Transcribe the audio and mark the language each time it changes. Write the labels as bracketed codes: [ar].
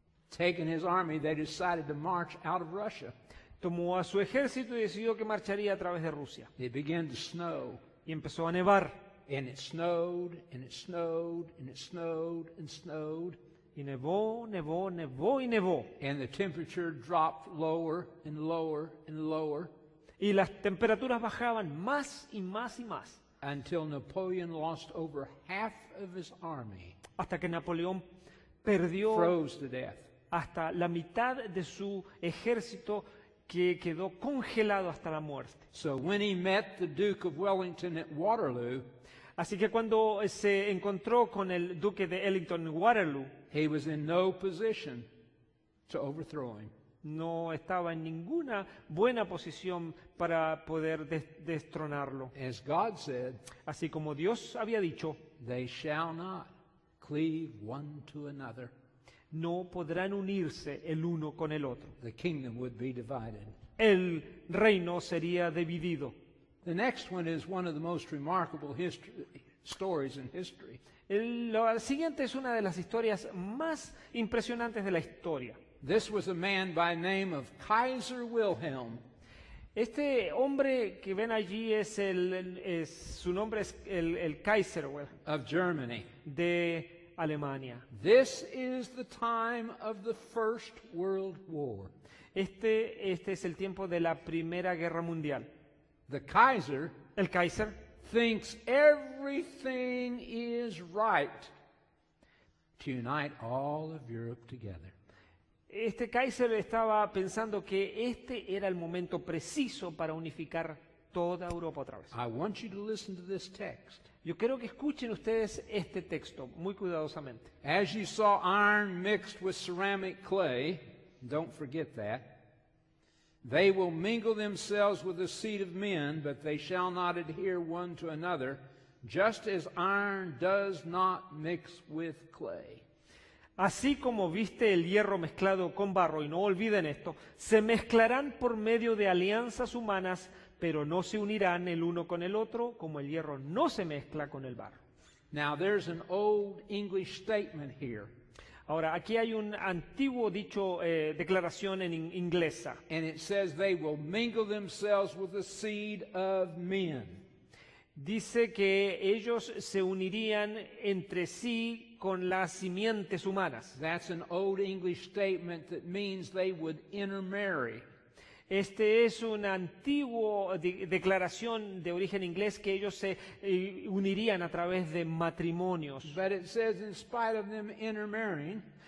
[en] Taking his army, they decided to march out of Russia. [es] Tomó a su ejército y decidió que marcharía a través de Rusia. [en] It began to snow. [es] Y empezó a nevar. [en] And it snowed, and it snowed, and it snowed, and snowed. [es] Y nevó, nevó, nevó y nevó. [en] And the temperature dropped lower and lower and lower. [es] Y las temperaturas bajaban más y más y más. [en] Until Napoleon lost over half of his army. [es] Hasta que Napoleón perdió. [en] Froze to death. [es] Hasta la mitad de su ejército que quedó congelado hasta la muerte. [en] So when he met the Duke of Wellington at Waterloo, [es] así que cuando se encontró con el Duque de Wellington en Waterloo, [en] he was in no position to overthrow him. [es] No estaba en ninguna buena posición para poder destronarlo. [en] As God said, [es] así como Dios había dicho, [en] they shall not cleave one to another. [es] No podrán unirse el uno con el otro. [en] The kingdom would be divided. [es] El reino sería dividido. [en] The next one is one of the most remarkable stories in history. [es] El siguiente es una de las historias más impresionantes de la historia. [en] This was a man by name of Kaiser Wilhelm. [es] Este hombre que ven allí es su nombre es el Kaiser Wilhelm. [en] Of Germany. [es] De Alemania. [en] This is the time of the First World War. [es] Este es el tiempo de la Primera Guerra Mundial. [en] The Kaiser, [es] el Kaiser, [en] thinks everything is right to unite all of Europe together. [es] Este Kaiser estaba pensando que este era el momento preciso para unificar toda Europa otra vez. [en] I want you to listen to this text. [es] Yo quiero que escuchen ustedes este texto muy cuidadosamente. [en] As you saw iron mixed with ceramic clay, don't forget that, they will mingle themselves with the seed of men, but they shall not adhere one to another, just as iron does not mix with clay. [es] Así como viste el hierro mezclado con barro, y no olviden esto, se mezclarán por medio de alianzas humanas, pero no se unirán el uno con el otro, como el hierro no se mezcla con el barro. [en] Now, there's an old English statement here. [es] Ahora, aquí hay un antiguo dicho, declaración en inglesa. [en] And it says they will mingle themselves with the seed of men. [es] Dice que ellos se unirían entre sí con las simientes humanas. [en] That's an old English statement that means they would intermarry. [es] Este es un antiguo declaración de origen inglés que ellos se unirían a través de matrimonios. [en] But it says in spite of them intermarrying,